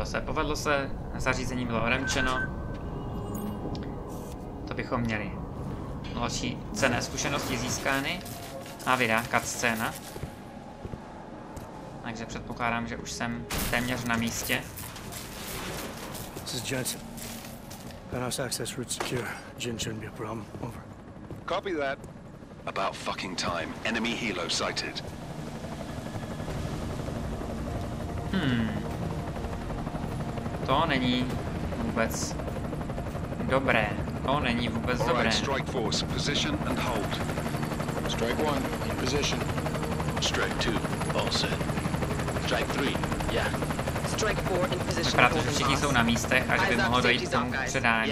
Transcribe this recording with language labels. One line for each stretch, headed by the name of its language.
Czech: Povedlo se, zařízení bylo odemčeno. To bychom měli. Další cenné zkušenosti získány. A vydá cutscéna. Takže předpokládám, že už jsem téměř na místě.
English: This is Jensen. Penthouse access route secure. Jin shouldn't be a problem. Over. Copy that. About fucking time. Enemy helo sighted.
Czech: To není vůbec dobré. To není vůbec dobré.
English: Alright, strike force, position and hold. Strike one, in position. Strike two, all set. Strike three, yeah. Strike four, in position.
Czech: Vypadá to, že všichni jsou na místech a že by mohlo dojít k tomu předání.